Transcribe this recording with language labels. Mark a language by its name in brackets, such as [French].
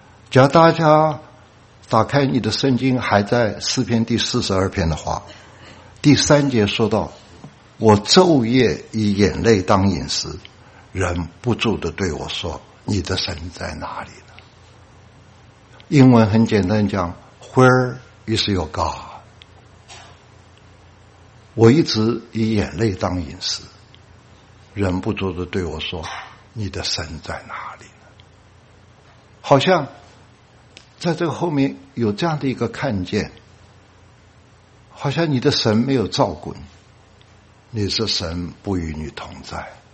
[Chinese] 假如大家打开你的圣经还在诗篇第四十二篇的话，第三节说到我昼夜以眼泪当饮食，人不住地对我说你的神在哪里呢？英文很简单讲 [English] Where is your God？ [Chinese] 我一直以眼泪当饮食，人不住地对我说你的神在哪里呢？好像在这个后面有这样的一个看见，好像你的神没有照顾你，你是神不与你同在。